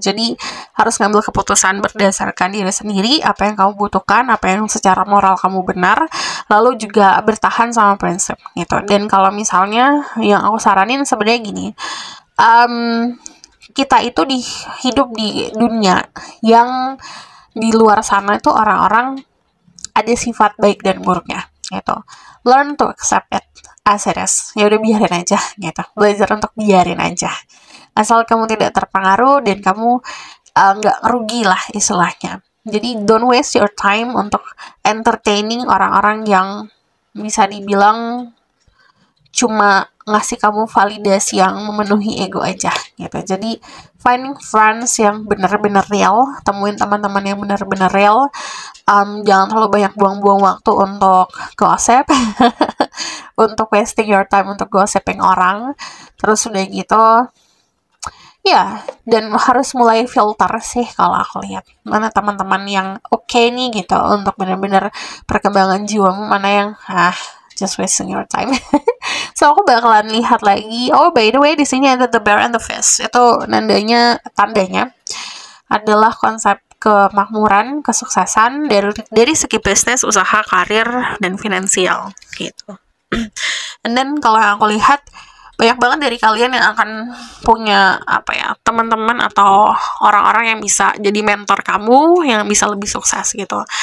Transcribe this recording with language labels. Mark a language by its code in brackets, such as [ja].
[id] Jadi harus ngambil keputusan berdasarkan diri sendiri, apa yang kamu butuhkan, apa yang secara moral kamu benar, lalu juga bertahan sama prinsip gitu. Dan kalau misalnya yang aku saranin sebenarnya gini. Kita itu di hidup di dunia yang di luar sana itu orang-orang ada sifat baik dan buruknya gitu. [en] Learn to accept it as it is. [id] Ya udah biarin aja gitu. Belajar untuk biarin aja. Asal kamu tidak terpengaruh dan kamu enggak rugi lah istilahnya. Jadi don't waste your time untuk entertaining orang-orang yang bisa dibilang cuma ngasih kamu validasi yang memenuhi ego aja gitu. Jadi finding friends yang benar-benar real, temuin teman-teman yang benar-benar real. Jangan terlalu banyak buang-buang waktu untuk gosip. Untuk wasting your time untuk gosiping orang. Terus udah gitu ya, dan harus mulai filter sih kalau aku lihat. Mana teman-teman yang oke nih gitu untuk benar-benar perkembangan jiwamu, mana yang just wasting your time. So aku bakalan lihat lagi. Oh, by the way, di sini ada the bear and the fish. Itu nandanya, tandanya adalah konsep kemakmuran, kesuksesan dari segi bisnis, usaha, karir, dan finansial gitu. And then kalau yang aku lihat banyak banget dari kalian yang akan punya apa ya, teman-teman atau orang-orang yang bisa jadi mentor kamu yang bisa lebih sukses gitu.